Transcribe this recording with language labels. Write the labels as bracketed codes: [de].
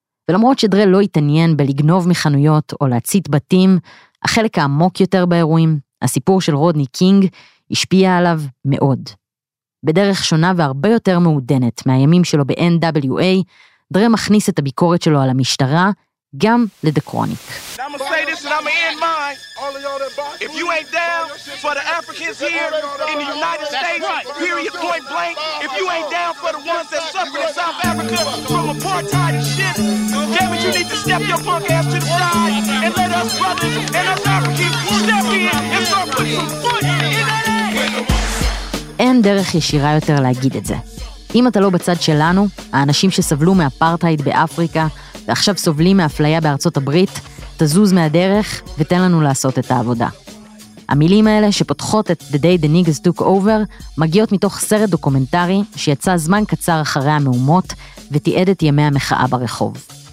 [he] ולמרות שדרה לא התעניין בלגנוב מחנויות או להצית בתים, החלק העמוק יותר באירועים, הסיפור של רודני קינג השפיע עליו מאוד. בדרך שונה והרבה יותר מעודנת מהימים שלו ב-NWA, דרי מכניס את הביקורת שלו על המשטרה גם לדה קרוניק. [en] If you ain't down for the Africans here in the United States, period, point blank, if you ain't down for the ones that suffered in South Africa from apartheid and shit, David, you need to step your punk ass to the side and let us brothers and us Africans step in and start putting some foot in that ass. [he] אין דרך ישירה יותר להגיד את זה. אם אתה לא בצד שלנו, האנשים שסבלו מאפרטהייד באפריקה ועכשיו סובלים מאפליה בארצות הברית, תזוז מהדרך ותן לנו לעשות את העבודה. המילים האלה שפותחות את The Day the Niggas Took Over מגיעות מתוך סרט דוקומנטרי שיצא זמן קצר אחרי המהומות ותיעד את ימי המחאה ברחוב.